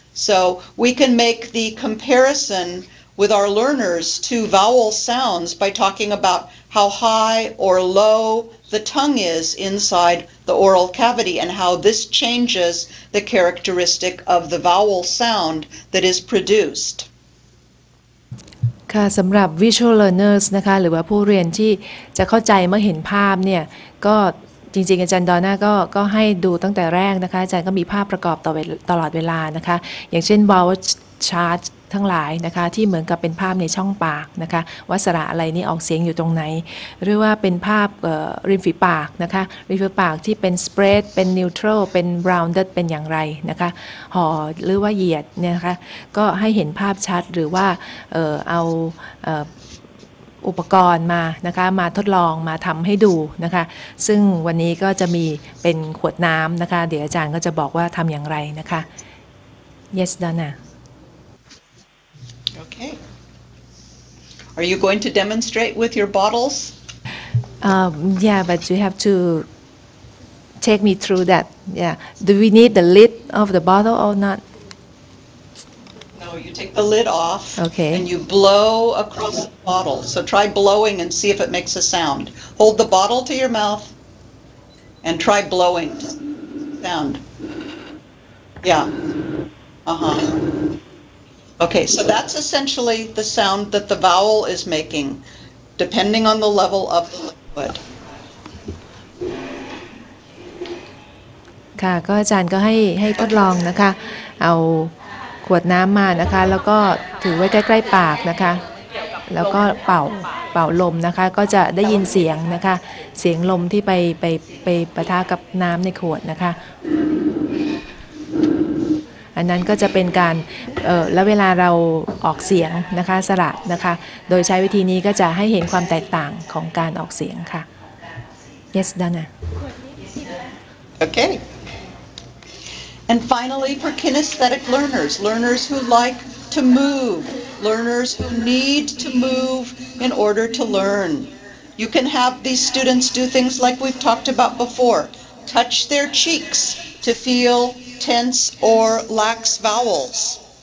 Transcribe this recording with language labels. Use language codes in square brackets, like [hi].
[en] So we can make the comparison with our learners to vowel sounds by talking about how high or low the tongue is inside the oral cavity and how this changes the characteristic of the vowel sound that is produced. [th] ค่ะสำหรับ visual learners นะคะหรือว่าผู้เรียนที่จะเข้าใจเมื่อเห็นภาพเนี่ยก็จริงๆอาจารย์ดอน่าก็ให้ดูตั้งแต่แรกนะคะอาจารย์ก็มีภาพประกอบตลอดเวลานะคะอย่างเช่น vowel chart ทั้งหลายนะคะที่เหมือนกับเป็นภาพในช่องปากนะคะว่าสระอะไรนี่ออกเสียงอยู่ตรงไหน หรือว่าเป็นภาพริมฝีปากนะคะริมฝีปากที่เป็น spread เป็น neutral เป็น rounded เป็นอย่างไรนะคะห่อหรือว่าเหยียดเนี่ยนะคะก็ให้เห็นภาพชัดหรือว่าเอาอุปกรณ์มานะคะมาทดลองมาทำให้ดูนะคะซึ่งวันนี้ก็จะมีเป็นขวดน้ำนะคะเดี๋ยวอาจารย์ก็จะบอกว่าทำอย่างไรนะคะ [en] yes Donna Okay. Are you going to demonstrate with your bottles? Yeah, but you have to take me through that. Yeah. Do we need the lid of the bottle or not? No, you take the lid off. Okay. And you blow across the bottle. So try blowing and see if it makes a sound. Hold the bottle to your mouth and try blowing. Sound. Yeah. Uh-huh. Okay, so that's essentially the sound that the vowel is making, depending on the level of the liquid. [th] ค่ะก็อาจารย์ก็ให้ทดลองนะคะเอาขวดน้ำมานะคะแล้วก็ถือไว้ใกล้ๆปากนะคะแล้วก็เป่าลมนะคะก็จะได้ยินเสียงนะคะเสียงลมที่ไปปะทะกับน้ำในขวดนะคะอันนั้นก็จะเป็นการแล้วเวลาเราออกเสียงนะคะสระนะคะโดยใช้วิธีนี้ก็จะให้เห็นความแตกต่างของการออกเสียงค่ะ [en] Yes Dana Okay And finally for kinesthetic learners learners who like to move learners who need to move in order to learn you can have these students do things like we've talked about before touch their cheeks to feelTense or lax vowels.